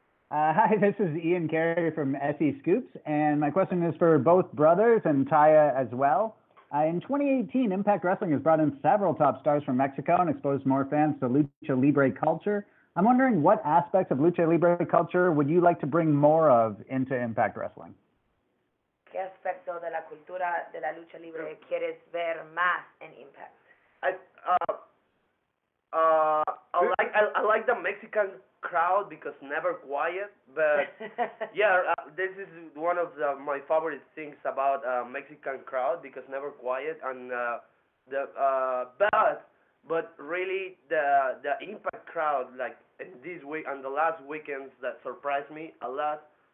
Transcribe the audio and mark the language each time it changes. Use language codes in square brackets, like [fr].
[en] Hi, this is Ian Carey from SE Scoops, and my question is for both brothers and Taya as well. In 2018, Impact Wrestling has brought in several top stars from Mexico and exposed more fans to Lucha Libre culture. I'm wondering what aspects of Lucha Libre culture would you like to bring more of into Impact Wrestling? [es] ¿Qué aspecto de la cultura de la Lucha Libre quieres ver más en Impact? [en] I like the Mexican crowd because never quiet, but yeah, this is one of my favorite things about Mexican crowd because never quiet and but really the Impact crowd, like this week and the last weekends, that surprised me a lot.